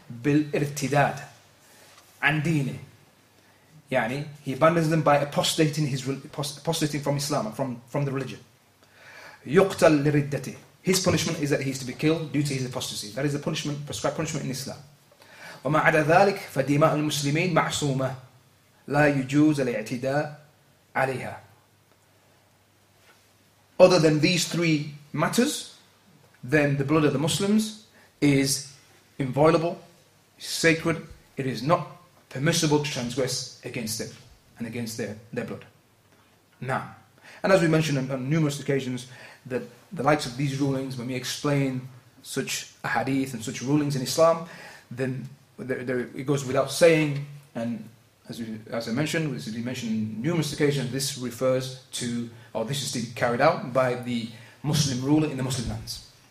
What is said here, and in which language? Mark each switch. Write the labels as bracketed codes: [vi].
[ar] بالارتداد عن دينه. يعني, [en] he abandons them by apostating from Islam, from the religion. [ar] يقتل لردته. [en] His punishment is that he is to be killed due to his apostasy. That is the punishment, prescribed punishment in Islam. [ar] وما عدا ذلك فدماء المسلمين معصومة لا يجوز الاعتداء عليها. [en] Other than these three matters, then the blood of the Muslims is inviolable, sacred. It is not permissible to transgress against them and against their blood. Now, and as we mentioned on numerous occasions, that the likes of these rulings, when we explain such a hadith and such rulings in Islam, then there it goes without saying, and as I mentioned on numerous occasions, this refers to, or this is to be carried out by the Muslim ruler in the Muslim lands.